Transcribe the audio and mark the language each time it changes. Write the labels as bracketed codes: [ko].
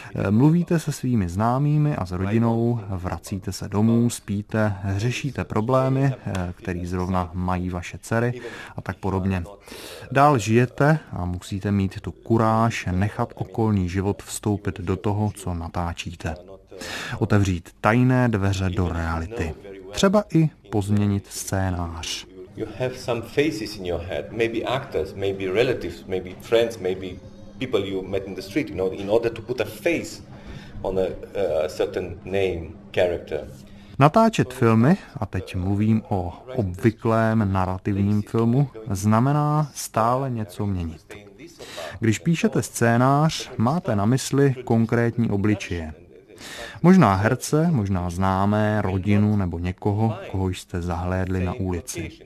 [cs] Mluvíte se svými známými a s rodinou, vracíte se domů, spíte, řešíte problémy, které zrovna mají vaše dcery a tak podobně. Dál žijete a musíte mít tu kuráž nechat okolní život vstoupit do toho, co natáčíte. Otevřít tajné dveře do reality. Třeba i pozměnit scénář. [en] You have some faces in your head, maybe actors, maybe relatives, maybe friends, maybe people you met in the street, you know, in order to put a face on a certain name, character. [cs] Natáčet filmy, a teď mluvím o obvyklém narrativním filmu, znamená stále něco měnit. Když píšete scénář, máte na mysli konkrétní obličeje. Možná herce, možná známé, rodinu nebo někoho, koho jste zahlédli na ulici.